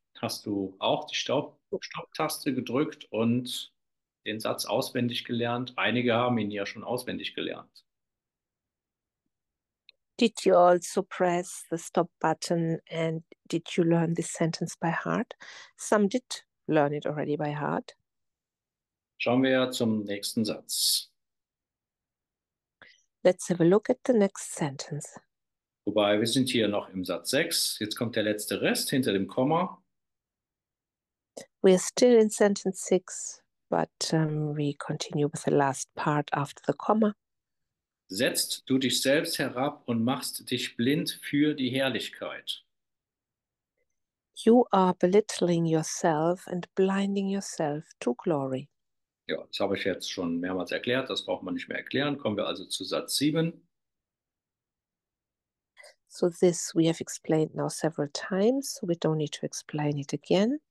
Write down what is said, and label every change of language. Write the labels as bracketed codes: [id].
[de] hast du auch die Stopptaste gedrückt und den Satz auswendig gelernt. Einige haben ihn ja schon auswendig gelernt. [en] Did you also press the stop button and did you learn this sentence by heart? Some did learn it already by heart. [de] Schauen wir zum nächsten Satz. [en] Let's have a look at the next sentence. [de] Wobei, wir sind hier noch im Satz 6. Jetzt kommt der letzte Rest hinter dem Komma. [en] We are still in sentence 6, but we continue with the last part after the comma. [de] Setzt du dich selbst herab und machst dich blind für die Herrlichkeit. [en] You are belittling yourself and blinding yourself to glory. [de] Ja, das habe ich jetzt schon mehrmals erklärt, das braucht man nicht mehr erklären. Kommen wir also zu Satz 7. [en] So this we have explained now several times, so we don't need to explain it again.